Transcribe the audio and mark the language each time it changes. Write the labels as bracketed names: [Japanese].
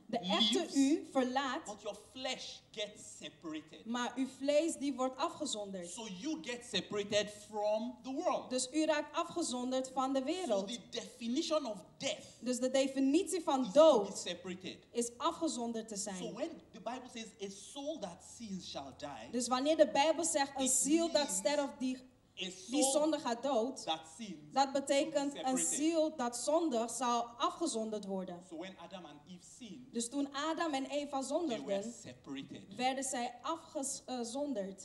[Dutch] de echte [English] lives, [Dutch] u verlaat, [English] but your flesh gets separated. [Dutch] Maar uw vlees die wordt afgezonderd. [English] So you get separated from the world. [Dutch] Dus u raakt afgezonderd van de wereld. [English] So the definition of death [Dutch] dus de definitie van dood [English] is, to be separated. [Dutch] Is afgezonderd te zijn. [English] So when the Bible says a soul that sins shall die, [Dutch] dus wanneer de Bijbel zegt een ziel dat sterft die die zonde gaat dood. [English] That sin, [Dutch] dat betekent een ziel dat zondig zal afgezonderd worden. [English] So when Adam and Eve sinned, [Dutch] dus toen Adam en Eva zondigden, werden zij afgezonderd.